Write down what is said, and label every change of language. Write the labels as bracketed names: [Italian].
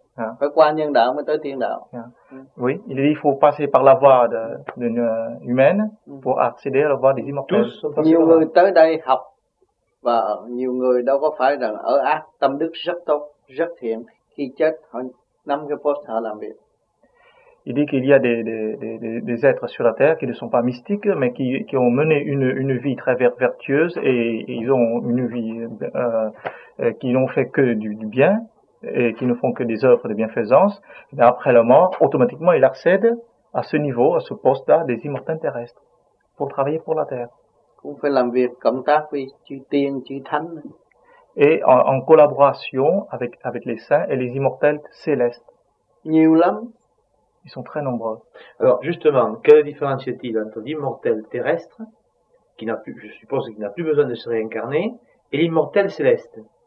[Vietnamese] Phải qua nhân đạo mới tới tiên đạo. [French] Oui, il faut passer par la voie d'une humaine pour accéder à la voie des immortels. [Vietnamese] Nhiều người tới đây học và nhiều người đâu có phải rằng ở ác, tâm đức rất tốt, rất thiện, khi chết họ nắm cái post họ làm việc. [French] Il dit qu'il y a des êtres sur la terre qui ne sont pas mystiques mais qui ont mené une vie très vertueuse et ils ont une vie qui n'ont fait que du bien et qui ne font que des œuvres de bienfaisance, et après la mort automatiquement ils accèdent à ce niveau, à ce poste là des immortels terrestres pour travailler pour la terre. [Vietnamese] Cũng phải làm việc cộng tác với chư tiên, chư thánh. [French] Et en collaboration avec les saints et les immortels célestes. [Vietnamese] Nhiều lắm. [French] Ils sont très nombreux. Alors justement, quelle différence y a-t-il entre l'immortel terrestre, qui n'a plus, je suppose qu'il n'a plus besoin de se réincarner, et l'immortel céleste?